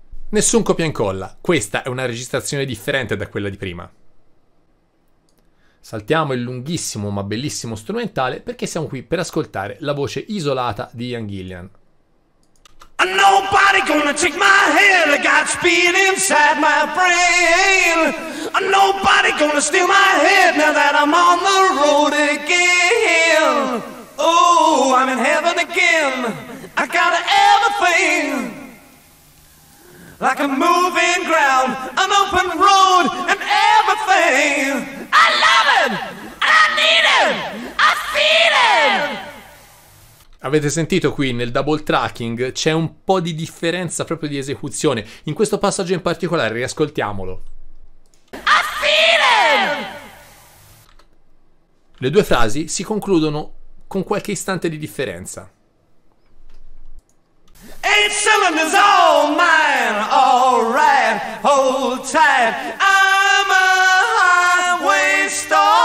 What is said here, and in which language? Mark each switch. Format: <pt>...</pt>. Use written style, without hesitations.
<it>Nessun copia e incolla, questa è una registrazione differente da quella di prima. Saltiamo il lunghissimo ma bellissimo strumentale perché siamo qui per ascoltare la voce isolata di Ian Gillan.</it> <en>Nobody gonna take my head, I got speed inside my brain. Nobody gonna steal my head now that I'm on the road again. Oh, I'm in heaven again, I got everything. Like a moving ground, an open road, and everything. I love it, and I need it, I feel it.</en> <it>Avete sentito qui nel double tracking c'è un po' di differenza proprio di esecuzione. In questo passaggio in particolare, riascoltiamolo.</it> <en>I feel it.</en> <it>Le due frasi si concludono con qualche istante di differenza.</it> <en>Eight cylinders all mine, all right, hold tight, I'm a highway star.</en>